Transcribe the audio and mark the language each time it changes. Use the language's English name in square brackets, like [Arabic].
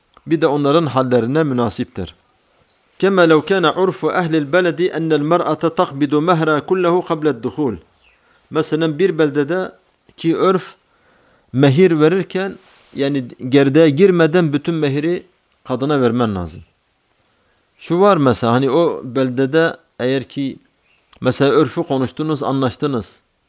[Turkish] Bir de onların hallerine münasiptir. [Arabic] كما لو كان عرف أهل البلد أن المرأة تقبض مهرها كله قبل الدخول. [Turkish] مثلا bir beldede ki örf mehir verirken yani gerdeğe girmeden bütün mehiri kadına vermen lazım. Şu var mesela hani o beldede eğer ki mesela örfü konuştunuz anlaştınız.